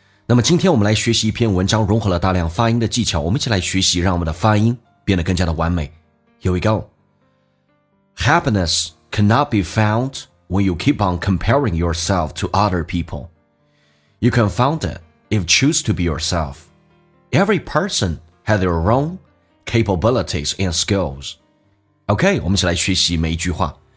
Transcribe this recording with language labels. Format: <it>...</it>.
<zh>那么今天我们来学习一篇文章，融合了大量发音的技巧，我们一起来学习让我们的发音变得更加的完美。</zh> <en>Here we go. Happiness cannot be found when you keep on comparing yourself to other people. You can find it if you choose to be yourself. Every person has their own capabilities and skills.</en> <zh>OK, 我们一起来学习每一句话。</zh>